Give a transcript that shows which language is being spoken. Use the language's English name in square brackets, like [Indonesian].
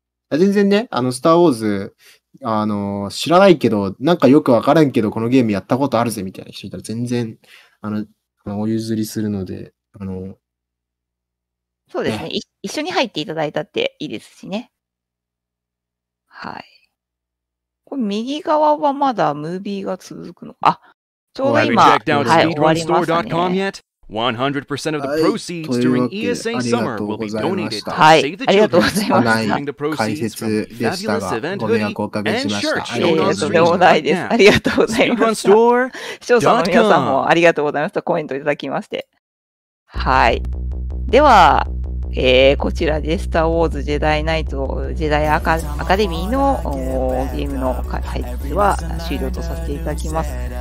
[Japanese] 全然ね、スターウォーズ、知らないけど、なんかよくわからんけど、このゲームやったことあるぜ、みたいな人いたら全然、お譲りするので、そうですね、一緒に入っていただいたっていいですしね。はい。これ右側はまだムービーが続くの。あ、ちょうど今、はい、終わりましたね。 [English] 100% of the proceeds during ESA summer will be donated to Save the Children by using the proceeds from the fabulous event hoodie and shirt shown on screen right now. [Japanese] ありがとうございます。視聴者の皆さんもありがとうございますとコメントいただきまして。はい。では、こちらでスターウォーズジェダイナイト、ジェダイアカデミーのゲームの解説は終了とさせていただきます。